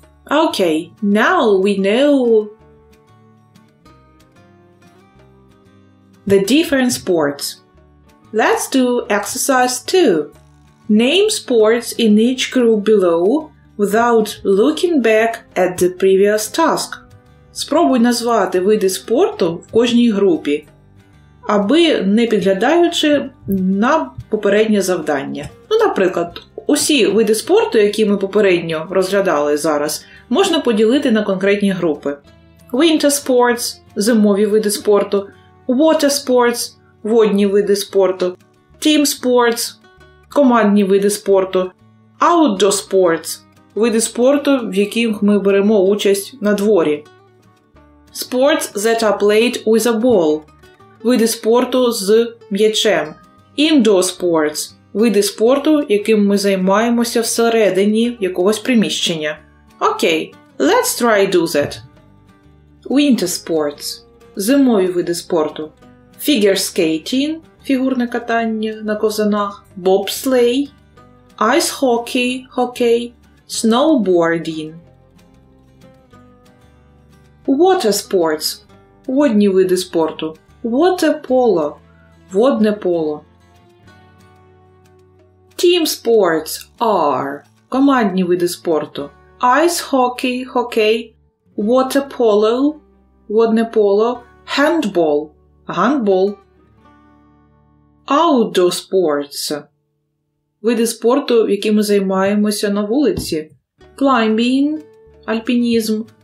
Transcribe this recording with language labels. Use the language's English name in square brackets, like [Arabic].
[English] Okay, now we know the different sports. Let's do exercise 2. Name sports in each group below without looking back at the previous task. [Ukrainian] Спробуй назвати види спорту в кожній групі, аби не підглядаючи на попереднє завдання. Ну, наприклад, усі види спорту, які ми попередньо розглядали зараз, можна поділити на конкретні групи. [English] Winter sports [Ukrainian] – зимові види спорту. [English] Water sports [Ukrainian] – водні види спорту. [English] Team sports [Ukrainian] – командні види спорту. [English] Outdoor sports [Ukrainian] – види спорту, в яких ми беремо участь на дворі. [English] Sports that are played with a ball – [Ukrainian] види спорту з м'ячем. [English] Indoor sports [Ukrainian] – види спорту, яким ми займаємося всередині якогось приміщення. [English] Okay, let's try do that. Winter sports [Ukrainian] – зимові види спорту. [English] Figure skating [Ukrainian] – фігурне катання на ковзанах. [English] Bobsleigh. Ice hockey – [Ukrainian] хокей. [English] Snowboarding. Water sports [Ukrainian] – водні види спорту. [English] Water polo [Ukrainian] – водне поло. [English] Team sports are – [Ukrainian] командні види спорту. [English] Ice hockey – [Ukrainian] хокей. [English] Water polo – [Ukrainian] водне поло. [English] Handball – [Ukrainian] гандбол. Outdoor sports – види спорту, які ми займаємося на вулиці. [English] Climbing – [Ukrainian] альпінізм.